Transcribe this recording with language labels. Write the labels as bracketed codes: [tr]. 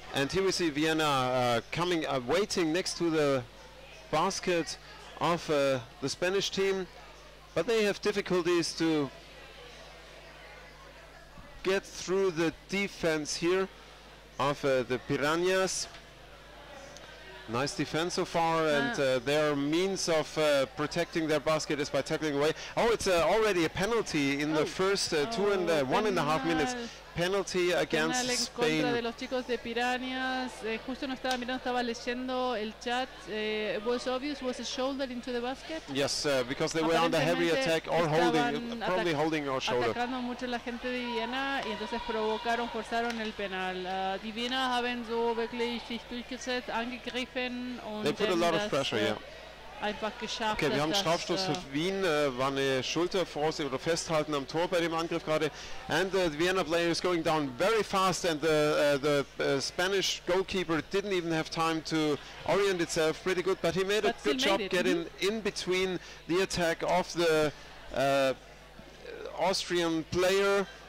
[en] And here we see Vienna coming, waiting next to the basket of the Spanish team, but they have difficulties to get through the defense here of the Pirañas. Nice defense so far, and their means of protecting their basket is by tackling away. Oh, it's already a penalty in the first 1.5 minutes. Penalty against [es] Spain. En contra de los chicos de Pirañas. Justo no estaba mirando, estaba leyendo el chat. [en] It was obvious, was a shoulder into the basket. Yes, because they were under heavy attack or holding, probably holding your shoulder. [es] Atacando mucho la gente de Viena y entonces provocaron, forzaron el penal. [de] Die Viena haben so wirklich sich durchgesetzt, angegriffen und [en] they put a lot of pressure, yeah. [de] Okay, wir haben Strafstoß für Wien, war eine Schulter vor sich oder festhalten am Tor bei dem Angriff gerade. [en] And the Vienna player is going down very fast and the Spanish goalkeeper didn't even have time to orient itself pretty good. But he made but a good job getting in between the attack of the Austrian player.